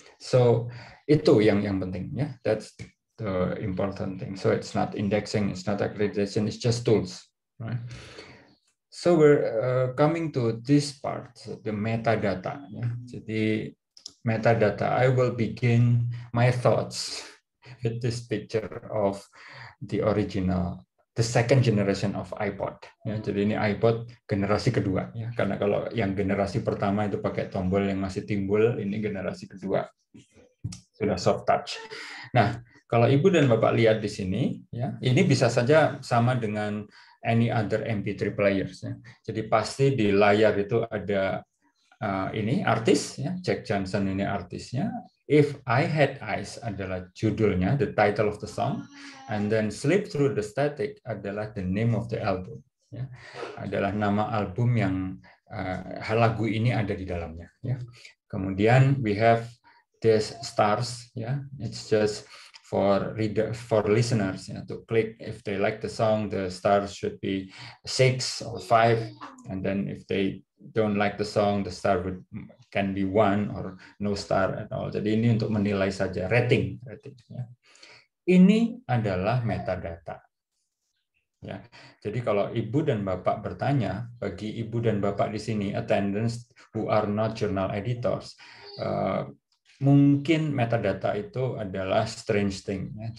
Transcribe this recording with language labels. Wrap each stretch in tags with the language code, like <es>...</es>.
<en>So</en> <id>itu yang penting, ya.</id> <en>Yeah? That's the important thing. So it's not indexing, it's not accreditation, it's just tools, right? So we're coming to this part, the metadata. Yeah? So the metadata, I will begin my thoughts with this picture of the original, the second generation of iPod.</en> <id>Ya, jadi ini iPod generasi kedua. Ya, karena kalau yang generasi pertama itu pakai tombol yang masih timbul, ini generasi kedua sudah soft touch. Nah, kalau Ibu dan Bapak lihat di sini, ya, ini bisa saja sama dengan</id> <en>any other MP3 players.</en> <id>Ya. Jadi pasti di layar itu ada ini artis, ya, Jack Johnson ini artisnya. If I Had Eyes adalah judulnya,</id> <en>the title of the song, and then</en> <id>Sleep Through the Static adalah</id> <en>the name of the album,</en> <id>ya, adalah nama album yang lagu ini ada di dalamnya. Ya. Kemudian</id> <en>we have these stars, ya, it's just for reader, for listeners, ya, to click if they like the song, the stars should be 6 or 5, and then if they don't like the song, the star would can be 1 or no star at all.</en> <id>Jadi ini untuk menilai saja, rating. Ya. Ini adalah metadata. Ya. Jadi kalau Ibu dan Bapak bertanya, bagi Ibu dan Bapak di sini,</id> <en>attendants who are not journal editors,</en> <id>mungkin metadata itu adalah</id> <en>strange thing.</en> <id>Ya.</id>